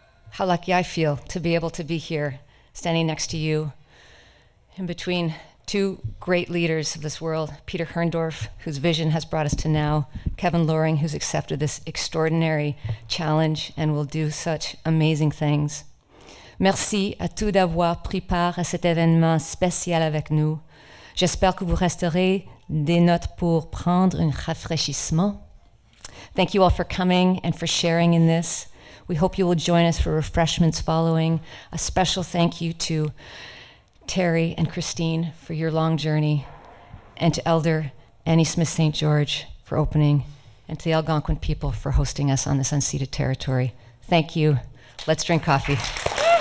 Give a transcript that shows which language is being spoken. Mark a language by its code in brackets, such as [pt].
[en] How lucky I feel to be able to be here, standing next to you, in between two great leaders of this world, Peter Herndorf, whose vision has brought us to now, Kevin Loring, who's accepted this extraordinary challenge and will do such amazing things. [fr] Merci à tous d'avoir pris part à cet événement spécial avec nous. J'espère que vous resterez des notes pour prendre un rafraîchissement. [en] Thank you all for coming and for sharing in this. We hope you will join us for refreshments following. A special thank you to Terry and Christine for your long journey, and to Elder Annie Smith St. George for opening, and to the Algonquin people for hosting us on this unceded territory. Thank you. Let's drink coffee.